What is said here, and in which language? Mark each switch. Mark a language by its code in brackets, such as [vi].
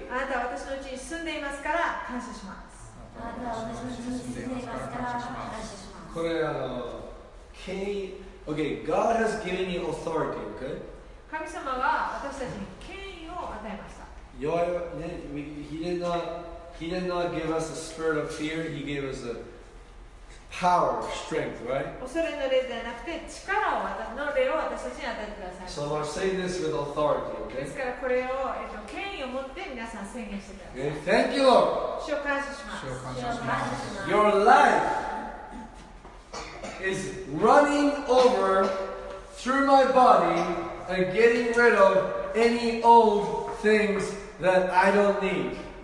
[ja] あなたは私のうちに住んでいますから感謝します。あなたは私のうちに住んでいますから感謝します。 [en] これOkay, God has given you authority, okay? [ja] 神様は私たちに権威を与えました。 [en] He did not give us a spirit of fear. He gave us a power, strength, right? [ja] 恐れの霊ではなくて力を、の霊を私たちに与えてください。 [en] So Lord, say this with authority, okay? [ja] ですからこれを、権威を持って皆さん宣言してください。 [en] Okay, thank you, Lord. [ja] 主を感謝します。主を感謝します。 [en] Your life is running over through my body and getting rid of any old things that I don't need.